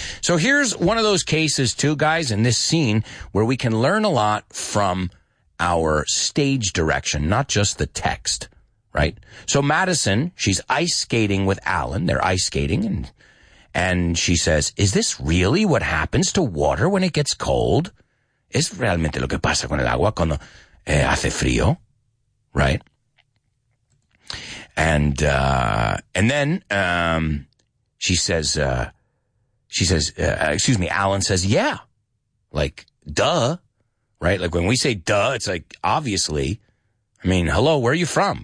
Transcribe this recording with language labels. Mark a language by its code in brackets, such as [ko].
[en] So here's one of those cases too, guys, in this scene where we can learn a lot from our stage direction, not just the text, right? So Madison, she's ice skating with Alan. They're ice skating, and she says, is this really what happens to water when it gets cold? [es] ¿Es realmente lo que pasa con el agua cuando hace frío? [en] Right? And then she says, Alan says, yeah, like, duh, right? Like, when we say duh, it's like, obviously, I mean, hello, where are you from?